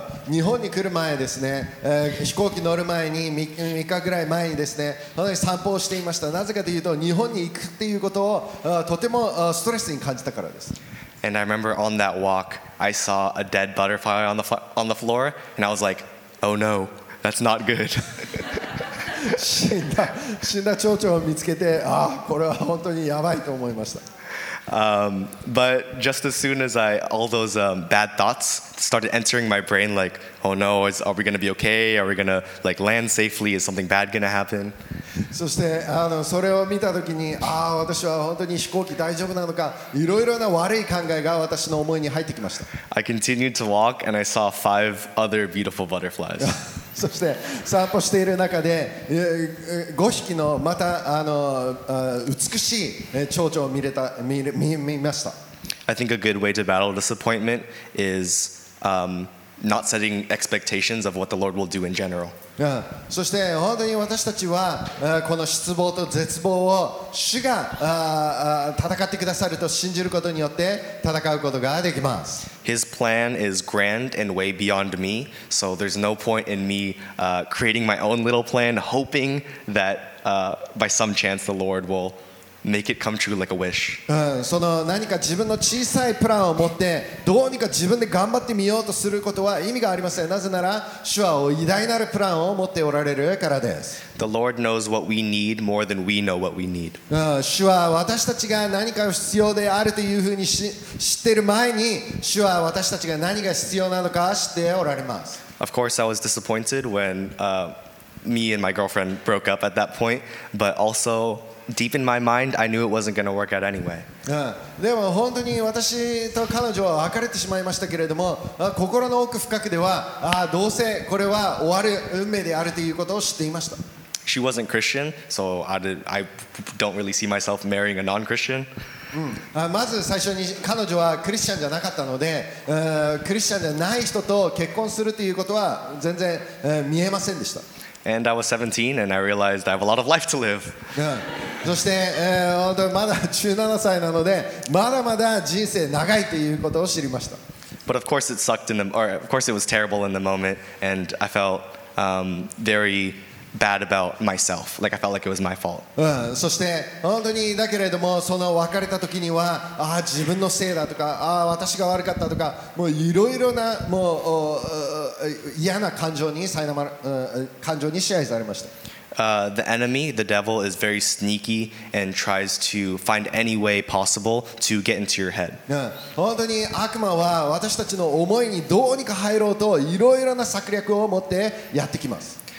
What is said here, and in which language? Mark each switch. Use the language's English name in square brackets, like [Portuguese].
[Japanese] 日本に来る前ですね、飛行機乗る前に3日ぐらい前にですね、本当に散歩をしていました。なぜかというと、日本に行くっていうことをとてもストレスに感じたからです。 [English] And I remember on that walk, I saw a dead butterfly on the floor, and I was like, oh no, that's not good. [Japanese] 死んだ蝶々を見つけて、ああ、これは本当にやばいと思いました。 [English] But just as soon as all those bad thoughts started entering my brain, like, oh no, are we going to be okay? Are we going to like land safely? Is something bad going to happen? [Japanese] そしてそれを見たときに、ああ、私は本当に飛行機大丈夫なのか、いろいろな悪い考えが私の思いに入ってきました。 [English] I continued to walk and I saw five other beautiful butterflies. [Japanese] そして散歩している中で、5匹のまた美しい蝶々を見ました。 [English] I think a good way to battle disappointment is not setting expectations of what the Lord will do in general. [Japanese] そして本当に私たちはこの失望と絶望を主が戦ってくださると信じることによって戦うことができます。 [English] His plan is grand and way beyond me, so there's no point in me creating my own little plan, hoping that by some chance the Lord will make it come true like a wish. [Japanese] その何か自分の小さいプランを持ってどうにか自分で頑張ってみようとすることは意味がありません。なぜなら主は偉大なるプランを持っておられるからです。 [English] The Lord knows what we need more than we know what we need. [Japanese] 主は私たちが何か必要であるというふうに知ってる前に、主は私たちが何が必要なのか知っておられます。 [English] Of course, I was disappointed when me and my girlfriend broke up at that point, but also deep in my mind, I knew it wasn't going to work out anyway. [Japanese] でも本当に私と彼女は別れてしまいましたけれども、心の奥深くでは、どうせこれは終わる運命であるということを知っていました。 [English] She wasn't Christian, so I don't really see myself marrying a non-Christian. [Japanese] まず最初に彼女はクリスチャンじゃなかったので、クリスチャンじゃない人と結婚するということは全然見えませんでした。 [English] And I was 17 and I realized I have a lot of life to live. [Japanese] そして、まだ17歳なので、まだまだ人生長いということを知りました。 [English] But of course it sucked of course it was terrible in the moment and I felt very bad about myself. Like I felt like it was my fault. [Japanese] そして、本当にだけれども、その別れた時には、自分のせいだとか、私が悪かったとか、もういろいろな、もう、嫌な感情に苛まれ、感情に支配されました。 [English] The enemy, the devil, is very sneaky and tries to find any way possible to get into your head. [Japanese] 本当に悪魔は私たちの思いにどうにか入ろうといろいろな策略を持ってやってきます。